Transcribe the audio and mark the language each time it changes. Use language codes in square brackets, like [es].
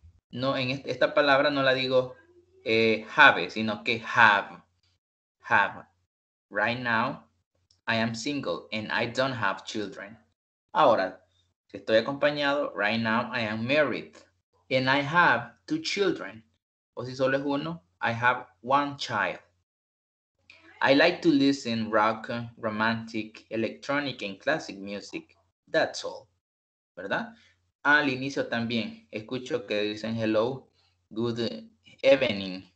[es] No, en esta palabra no la digo have, sino que have. [en] Right now, I am single and I don't have children. [es] Ahora, si estoy acompañado, [en] right now I am married and I have two children. [es] O si solo es uno, [en] I have one child. I like to listen rock, romantic, electronic and classic music. That's all. [es] ¿Verdad? Al inicio también escucho que dicen [en] hello, good evening.